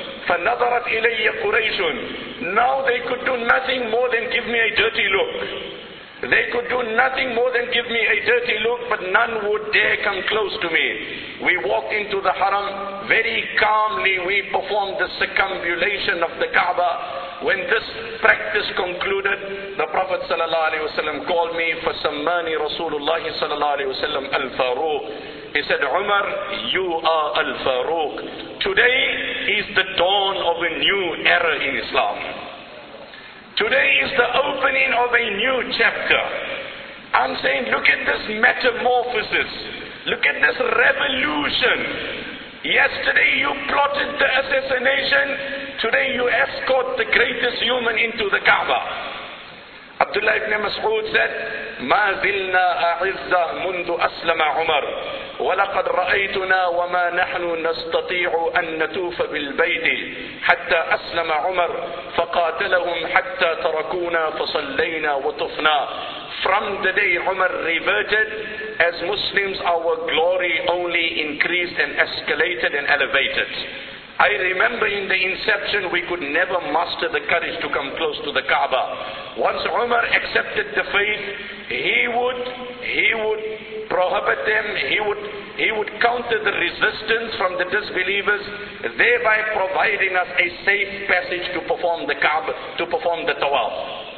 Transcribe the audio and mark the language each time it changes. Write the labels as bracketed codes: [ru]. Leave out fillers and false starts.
[ar] فَنَظَرَتْ إِلَيَّ قُرَيْشٌ. [en] Now they could do nothing more than give me a dirty look. They could do nothing more than give me a dirty look, but none would dare come close to me. We walked into the haram. Very calmly we performed the circumambulation of the Kaaba. When this practice concluded, the Prophet ﷺ called me, [ar] فَسَمَّانِ رَسُولُ اللَّهِ صَلَى اللَّهُ عَلَيْهِ وَسَلَّمَ الْفَارُوقِ. [en] He said, Umar, you are Al-Faruq. Today is the dawn of a new era in Islam. Today is the opening of a new chapter. I'm saying, look at this metamorphosis. Look at this revolution. Yesterday you plotted the assassination. Today you escort the greatest human into the Kaaba. Abdullah ibn Mas'ud said, [ar] مَا ذِلْنَا أَعِزَّ مُنْدُ أَسْلَمَ عُمَرُ وَلَقَدْ رَأَيْتُنَا وَمَا نَحْنُ نَسْتَطِيعُ أَن نَتُوفَ بِالْبَيْتِ حَتَّى أَسْلَمَ عُمَرُ فَقَاتَلَهُمْ حَتَّى تَرَكُونَا فَصَلَّيْنَا وَطُفْنَا. [en] From the day Umar reverted, as Muslims, our glory only increased and escalated and elevated. I remember in the inception we could never muster the courage to come close to the Kaaba. Once Umar accepted the faith, he would prohibit them, he would counter the resistance from the disbelievers, thereby providing us a safe passage to perform the Kaaba, to perform the Tawaf.